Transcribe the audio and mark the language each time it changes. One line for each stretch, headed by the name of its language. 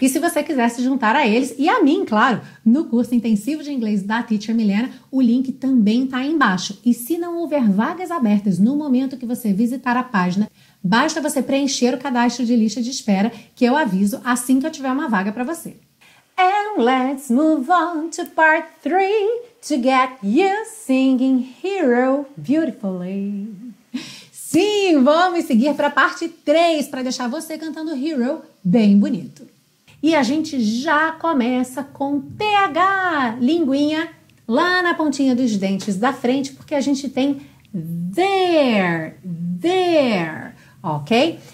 Portuguese: E se você quiser se juntar a eles e a mim, claro, no curso intensivo de inglês da Teacher Milena, o link também está aí embaixo. E se não houver vagas abertas no momento que você visitar a página, basta você preencher o cadastro de lista de espera, que eu aviso assim que eu tiver uma vaga para você.
English: And let's move on to part 3 to get you singing hero beautifully.
Portuguese: Sim, vamos seguir para a parte 3 para deixar você cantando hero bem bonito. E a gente já começa com TH, linguinha, lá na pontinha dos dentes da frente, porque a gente tem there, there. Ok?